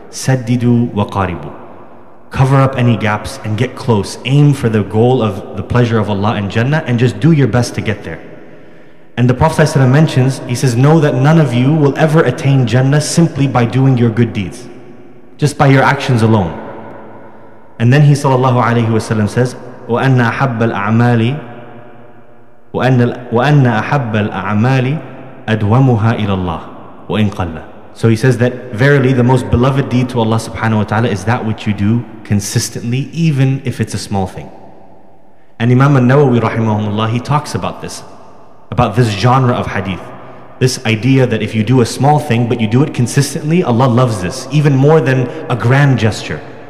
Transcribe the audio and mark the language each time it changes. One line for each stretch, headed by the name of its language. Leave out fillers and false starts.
Arabic: Saddidu wa qaribu.
English: Cover up any gaps and get close. Aim for the goal of the pleasure of Allah and Jannah and just do your best to get there. And the Prophet ﷺ mentions, he says, know that none of you will ever attain Jannah simply by doing your good deeds, just by your actions alone. And then he sallallahu alayhi wasallam says,
Arabic: وَأَنَّ أَحَبَّ الْأَعْمَالِ وَأَنَّ أَحَبَّ الْأَعْمَالِ أَدْوَمُهَا إِلَى اللَّهِ وَإِنْ قَلَّ.
English: So he says that verily the most beloved deed to Allah subhanahu wa ta'ala is that which you do consistently, even if it's a small thing. And Imam An-Nawawi rahimahumullah, he talks about this genre of hadith. This idea that if you do a small thing but you do it consistently, Allah loves this even more than a grand gesture.